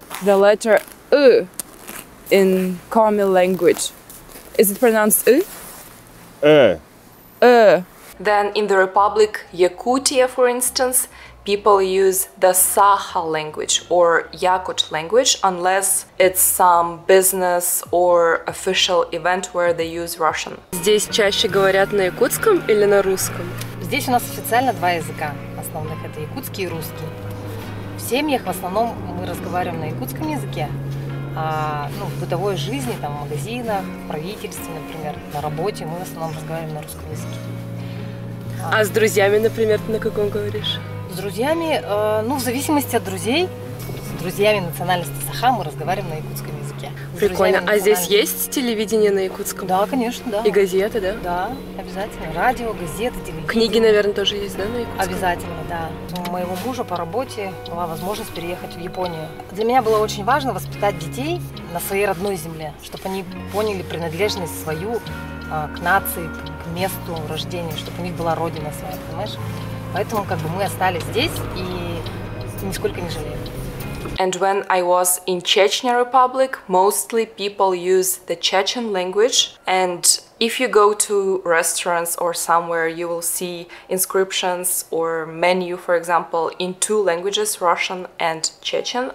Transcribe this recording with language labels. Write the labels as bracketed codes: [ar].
[en] The letter U in Komi language. Is it pronounced U? Then in the Republic Yakutia, for instance, people use the Saha language or Yakut language unless it's some business or official event where they use Russian. [ru] Здесь чаще говорят на якутском или на русском? Здесь у нас официально два языка основных, это якутский и русский. В семьях в основном мы разговариваем на якутском языке, а ну, в бытовой жизни, там, в магазинах, в правительстве, например, на работе мы в основном разговариваем на русском языке. А с друзьями, например, ты на каком говоришь? С друзьями, ну, в зависимости от друзей, с друзьями национальности Саха мы разговариваем на якутском языке. Прикольно. А здесь есть телевидение на якутском? Да, конечно, да. И газеты, да? Да, обязательно. Радио, газеты, телевидение. Книги, наверное, тоже есть, да, на якутском? Обязательно, да. У моего мужа по работе была возможность переехать в Японию. Для меня было очень важно воспитать детей на своей родной земле, чтобы они поняли принадлежность свою к нации, к месту рождения, чтобы у них была родина своя, понимаешь? Поэтому как бы мы остались здесь и нисколько не жалеем. [en] And when I was in Chechnya Republic, mostly people use the Chechen language. And if you go to restaurants or somewhere, you will see inscriptions or menu, for example, in two languages, Russian and Chechen.